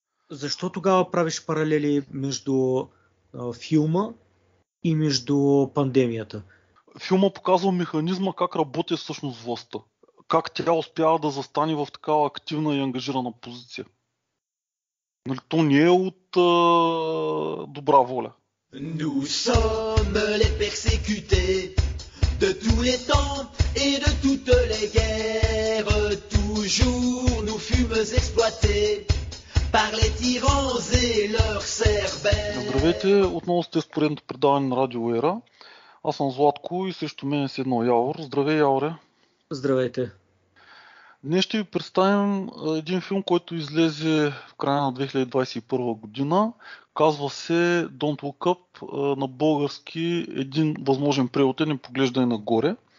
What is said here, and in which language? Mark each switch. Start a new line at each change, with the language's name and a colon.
Bulgarian: Защо тогава правиш паралели между филма и между пандемията? Филма показва механизма как работи всъщност властта. Как тя успява да застане в такава активна и ангажирана позиция. Нали, то не е от добра воля.
French: Nous sommes les persécutés de tous les temps et de toutes les guerres. Toujours nous fûmes exploités par les tyrans et leurs cerbères.
Bulgarian: Здравейте, отново сте с поредното предаване на Радио Ера. Аз съм Златко и срещу мен е седнал Явор. Здравей, Яворе. Здравейте. Днес ще ви представим един филм, който излезе в края на 2021 година. Казва се Don't Look Up, на български един възможен превод е Непоглеждане нагоре.